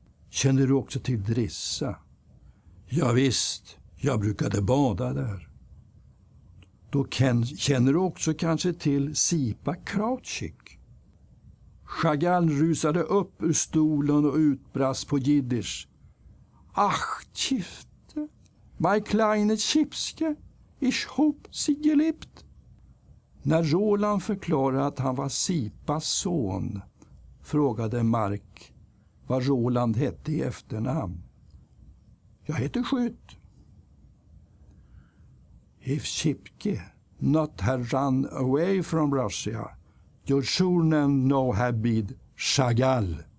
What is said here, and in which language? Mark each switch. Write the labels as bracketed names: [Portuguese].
[Swedish] Känner du också till Drissa? Ja visst, jag brukade bada där. Då känner du också kanske till Sipa Krautschik? Chagall rusade upp ur stolen och utbrast på jiddisch. [Yiddish] Ach, chifte, my kleine chipske, ich hob sie geliebt. [Swedish] När Roland förklarade att han var Sipas son frågade Mark vad Roland hette i efternamn. Jag heter Skjut. [English] If Chipke not had run away from Russia, your surname now had been Chagall.